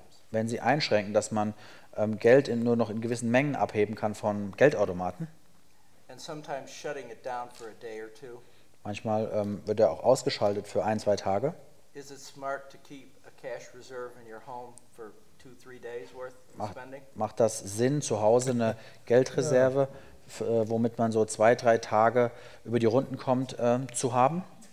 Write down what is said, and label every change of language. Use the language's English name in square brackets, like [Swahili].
[German] wenn sie einschränken, dass man Geld in, nur noch in gewissen Mengen abheben kann von Geldautomaten. [English] And sometimes shutting it down for a day or two. [German] Manchmal wird er auch ausgeschaltet für ein, zwei Tage. [English] Is it smart to keep a cash reserve in your home for 2-3 days worth of spending? [German] Macht das Sinn, zu Hause eine Geldreserve, womit man so 2-3 Tage über die Runden kommt, zu haben?